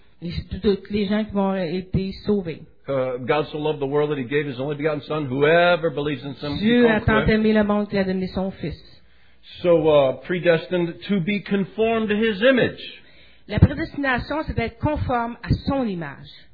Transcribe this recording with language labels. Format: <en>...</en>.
<fr>Et toutes les gens qui vont être sauvés.</fr> <en>God so loved the world that he gave his only begotten son, whoever believes in him.</en> <fr>Dieu a tant aimé le monde qu'il a donné son fils.</fr> <en>So predestined to be conformed to his image.</en> <fr>La prédestination, c'est d'être conforme à son image.</fr>